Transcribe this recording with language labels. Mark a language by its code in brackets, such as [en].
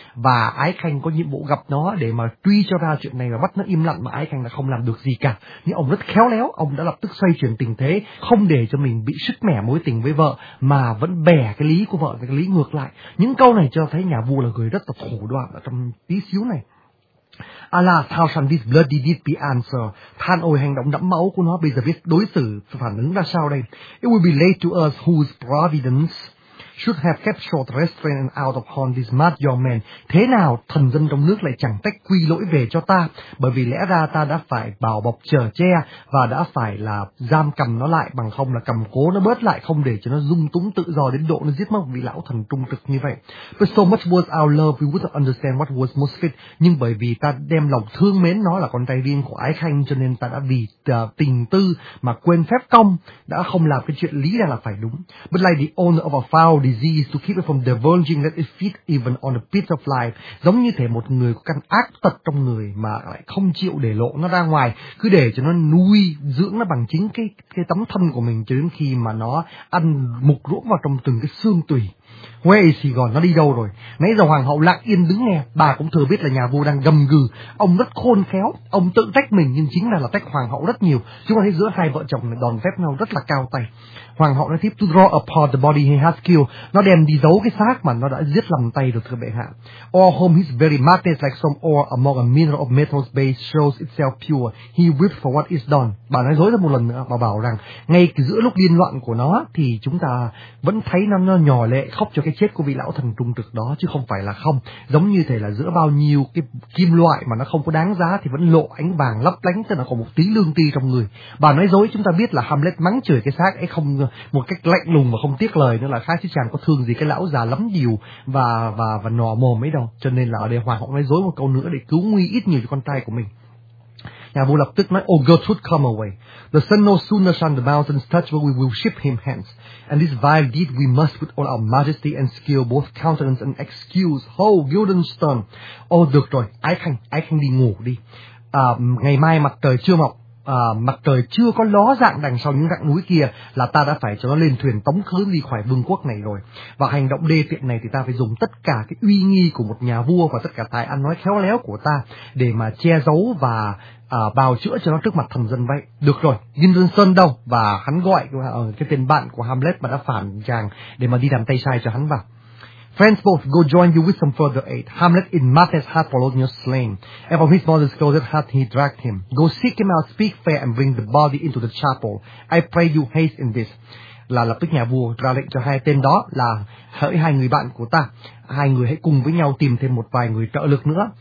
[vi] Và Ái Khanh có nhiệm vụ gặp nó để mà truy cho ra chuyện này và bắt nó im lặng, mà Ái Khanh là không làm được gì cả. Nhưng ông rất khéo léo, ông đã lập tức xoay chuyển tình thế, không để cho mình bị sứt mẻ mối tình với vợ, mà vẫn bẻ cái lý của vợ và cái lý ngược lại. Những câu này cho thấy nhà vua là người rất là thủ đoạn ở trong tí xíu này. [en] Alas, how shall this bloody deed be answered? [vi] Than ôi, hành động đẫm máu của nó bây giờ biết đối xử phản ứng ra sao đây? [en] It will be late to us whose providence should have kept short restraint and out upon this mad young man. [vi] Thế nào thần dân trong nước lại chẳng tách quy lỗi về cho ta? Bởi vì lẽ ra ta đã phải bảo bọc chở che và đã phải là giam cầm nó lại, bằng không là cầm cố nó bớt lại, không để cho nó dung túng tự do đến độ nó giết mất vị lão thần trung trực như vậy. [en] But so much was our love, we would have understand what was most fit. [vi] Nhưng bởi vì ta đem lòng thương mến nó là con trai riêng của Ái Khanh, cho nên ta đã vì tình tư mà quên phép công, đã không làm cái chuyện lý ra là phải đúng. [en] But like the owner of a foul disease to keep it from divulging that it feeds even on a bit of life. [vi] Giống như thể một người có căn ác tật trong người mà lại không chịu để lộ nó ra ngoài, cứ để cho nó nuôi dưỡng nó bằng chính cái tấm thân của mình cho đến khi mà nó ăn mục ruỗng vào trong từng cái xương tủy. [en] Where is he gone? [vi] Nó đi đâu rồi? Nãy giờ hoàng hậu lặng yên đứng nghe, bà cũng thừa biết là nhà vua đang gầm gừ. Ông rất khôn khéo, ông tự trách mình nhưng chính là trách hoàng hậu rất nhiều. Chúng ta thấy giữa hai vợ chồng đòn phép nhau rất là cao tay. Hoàng hậu nói tiếp, [en] to draw apart the body he has killed. [vi] Nó đem đi giấu cái xác mà nó đã giết lầm tay được thưa bệ hạ. [en] All home his very madness like some ore among a mineral of metals base shows itself pure. He weeps for what is done. [vi] Bà nói dối thêm một lần nữa, bà bảo rằng ngay giữa lúc điên loạn của nó thì chúng ta vẫn thấy nó nhỏ lệ khóc cho cái chết của vị lão thần trung trực đó, chứ không phải là không. Giống như thể là giữa bao nhiêu cái kim loại mà nó không có đáng giá thì vẫn lộ ánh vàng lấp lánh, tức là có một tí lương tri trong người. Bà nói dối, chúng ta biết là Hamlet mắng chửi cái xác ấy không một cách lạnh lùng mà không tiếc lời nữa, là khác chứ chàng có thương gì cái lão già lắm điều và nò mồm ấy đâu. Cho nên là ở đây hoàng hậu nói dối một câu nữa để cứu nguy ít nhiều cho con trai của mình. Nhà vua lập tức nói, [en] oh Gertrude, come away. The sun no sooner shone the mountains touch where we will ship him hence. And this vile deed we must with all our majesty and skill, both countenance and excuse. Ho, Guildenstern. [vi] Oh, được rồi, Ái Khanh đi ngủ đi. Ngày mai mặt trời chưa mọc, mặt trời chưa có ló dạng đằng sau những rặng núi kia, là ta đã phải cho nó lên thuyền tống khứ đi khỏi vương quốc này rồi. Và hành động đê tiện này thì ta phải dùng tất cả cái uy nghi của một nhà vua và tất cả tài ăn nói khéo léo của ta để mà che giấu và bào chữa cho nó trước mặt thần dân vậy. Được rồi, Guildenstern đâu? Và hắn gọi cái tên bạn của Hamlet mà đã phản chàng để mà đi làm tay sai cho hắn vào. [en] Friends both, go join you with some further aid. Hamlet in madness hath followed your slain, and from his mother's closet hath he dragged him. Go seek him out, speak fair, and bring the body into the chapel. I pray you haste in this. [vi] Là lập tức nhà vua ra lệnh cho hai tên đó là hỡi hai người bạn của ta, hai người hãy cùng với nhau tìm thêm một vài người trợ lực nữa.